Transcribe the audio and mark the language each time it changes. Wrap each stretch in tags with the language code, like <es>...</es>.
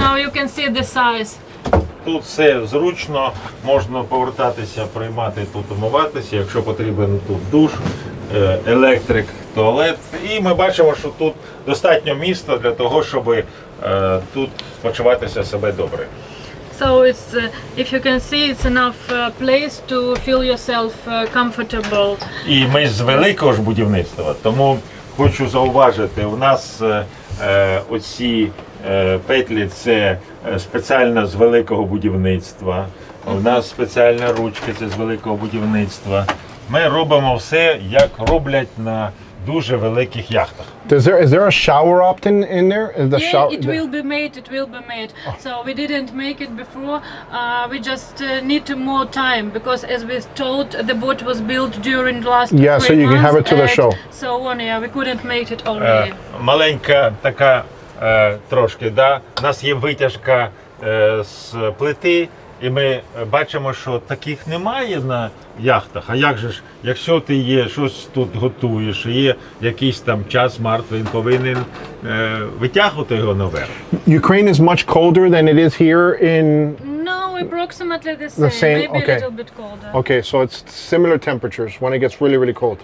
<en>Now you can see the size.</en> <uk>Тут все зручно, можна повертатися, приймати тут, умиватися, якщо потрібен тут душ, електрик, туалет. І ми бачимо, що тут достатньо міста для того, щоб тут почуватися себе добре.</uk> <en>So it's if you can see, it's enough place to feel yourself comfortable.</en> <uk>І ми з великого ж будівництва, тому хочу зауважити, у нас оці петлі це спеціально з великого будівництва. У нас спеціальна ручка це з великого будівництва. Ми робимо все, як роблять на дуже великих яхтах.</uk> <en>Is there a shower opt-in in there? It will be made. Oh. So we didn't make it before. We just need more time because as we told, the boat was built during last Yeah, so you can have it to the show. So on, yeah, we couldn't make it already.</en> <uk>Маленька така трошки, да. У нас є витяжка з плити. І ми бачимо, що таких немає на яхтах. А як же ж, якщо ти є, щось тут готуєш, є якийсь там час мартвий, він повинен витягувати його наверх.</uk> <en>Ukraine is much colder than it is here in... No, approximately the same. Maybe okay. A little bit colder. Okay, so it's similar temperatures when it gets really, really cold.</en>